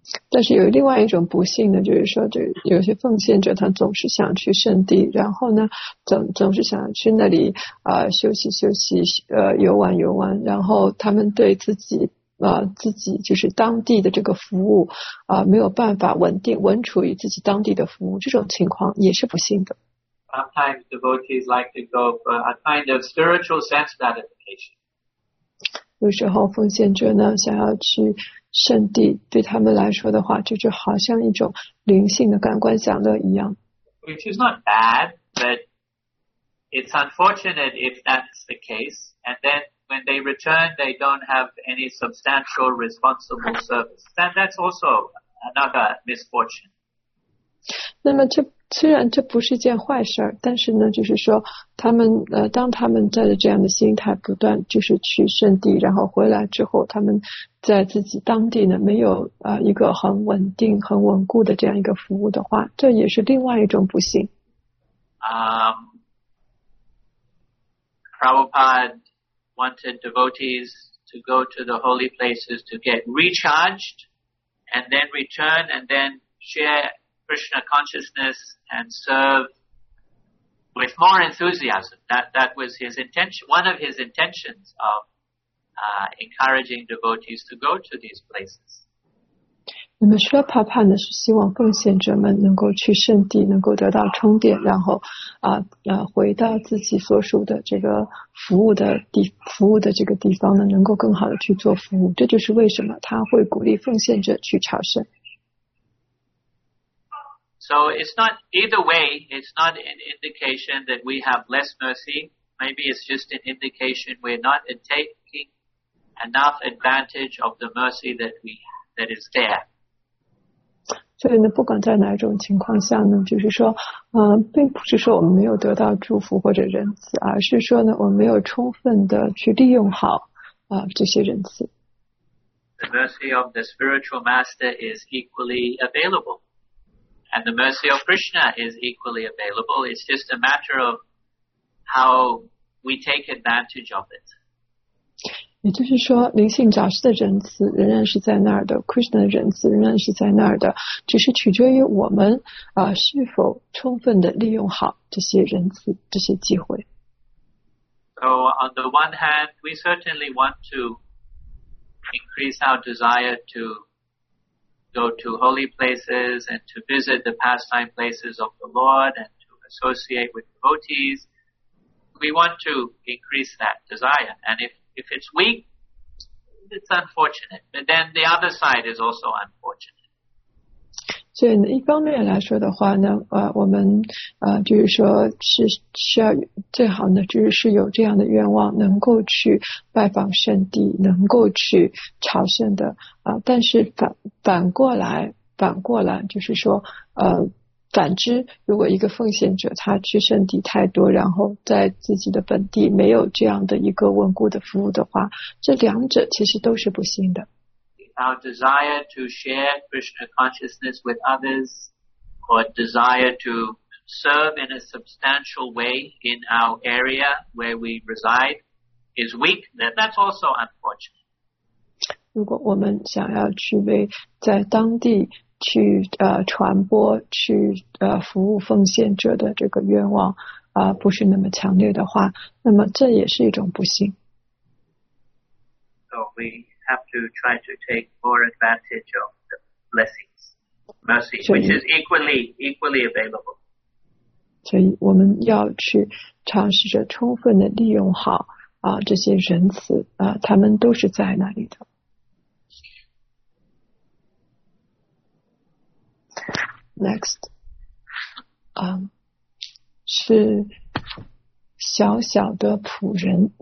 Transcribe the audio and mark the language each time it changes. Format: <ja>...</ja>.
<zh>但是有另外一种不幸呢，就是说，就有些奉献者他总是想去圣地，然后呢，总是想去那里休息，游玩，然后他们对自己就是当地的这个服务没有办法稳处于自己当地的服务，这种情况也是不幸的。</zh> <en>Sometimes devotees like to go for a kind of spiritual sense gratification.</en> <zh>有时候奉献者呢想要去圣地，对他们来说的话，这就好像一种灵性的感官享乐一样。</zh> <en>Which is not bad, but it's unfortunate if that's the case. And then when they return, they don't have any substantial responsible service. And that's also another misfortune.</en> <zh>那么这虽然这不是件坏事，但是呢，就是说，他们当他们带着这样的心态，不断就是去圣地，然后回来之后，他们在自己当地呢，没有一个很稳定、很稳固的这样一个服务的话，这也是另外一种不幸。</zh> <en>Prabhupada wanted devotees to go to the holy places to get recharged, and then return, and then share. Krishna consciousness and serve with more enthusiasm. That was his intention, one of his intentions of encouraging devotees to go to these places.</en> <zh>那么说帕帕呢是希望奉献者们能够去圣地，能够得到充电，然后回到自己所属的这个服务的这个地方呢，能够更好的去做服务。这就是为什么他会鼓励奉献者去朝圣。</zh> <en>So it's not, either way, it's not an indication that we have less mercy. Maybe it's just an indication we're not taking enough advantage of the mercy that is there.</en> <zh>所以呢，不管在哪种情况下呢，就是说，并不是说我们没有得到祝福或者仁慈，而是说呢，我们没有充分的去利用好这些仁慈。</zh> <en>the mercy of the spiritual master is equally available. And the mercy of Krishna is equally available. It's just a matter of how we take advantage of it.</en> <zh>也就是说灵性杂事的仁慈仍然是在那儿的 Krishna 的仁慈仍然是在那儿的只是取决于我们、是否充分地利用好这些仁慈这些机会</zh> <en>So on the one hand we certainly want to increase our desire to go to holy places and to visit the pastime places of the Lord and to associate with devotees we want to increase that desire and if it's weak, it's unfortunate. But then the other side is also unfortunate.</en> <zh>所以一方面来说的话呢，我们就是说是需要最好呢，就是有这样的愿望，能够去拜访圣地，能够去朝圣的但是反过来，就是说反之，如果一个奉献者他去圣地太多，然后在自己的本地没有这样的一个稳固的服务的话，这两者其实都是不行的。</zh> <en>Our desire to share Krishna consciousness with others, or desire to serve in a substantial way in our area where we reside, is weak. Then that's also unfortunate.</en> <zh>如果我们想要去为在当地去传播去服务奉献者的这个愿望不是那么强烈的话那么这也是一种不幸</zh> <en>So we have to try to take more advantage of the blessings mercy which is equally available</en> <zh>所以我们要去尝试着充分的利用好这些仁慈他们都是在那里的</zh> <en>Next,</en> <zh>是小小的仆人。</zh>